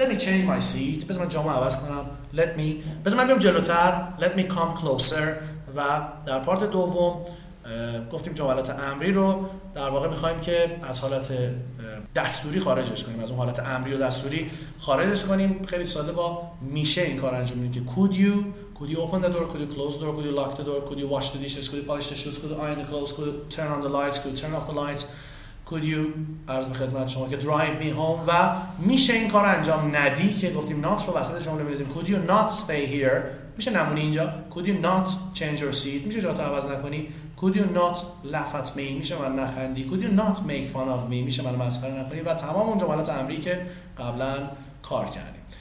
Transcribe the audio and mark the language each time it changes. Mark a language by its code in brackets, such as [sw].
[en] Let me change my seat. [fa] بذار من جامو عوض کنم. [en] Let me. [fa] بذار من بیام جلوتر. [en] Let me come closer. [fa] و در پارت دوم گفتیم جملات امری رو در واقع می‌خوایم که از حالت دستوری خارجش کنیم، از اون حالت امری و دستوری خارجش کنیم. خیلی ساده با میشه این کار انجام می‌دیم که [en] could you open the door, could you close the door, could you lock the door, could you wash the dishes, could you polish the shoes, could you iron the clothes, could you turn on the lights, could you turn off the lights, could you [fa] عرض به خدمت شما که [en] drive me home. [fa] و میشه این کار انجام ندی که گفتیم not رو وسط جمله بریزیم. [en] Could you not stay here؟ [fa] میشه نمونه اینجا. [en] Could you not change your seat؟ [fa] میشه جاتو عوض نکنی. [en] Could you not laugh at me؟ [fa] میشه من نخندی. [en] Could you not make fun of me؟ [fa] میشه من مسخره نکنی. و تمام اون جملات امری که قبلا کار کردیم.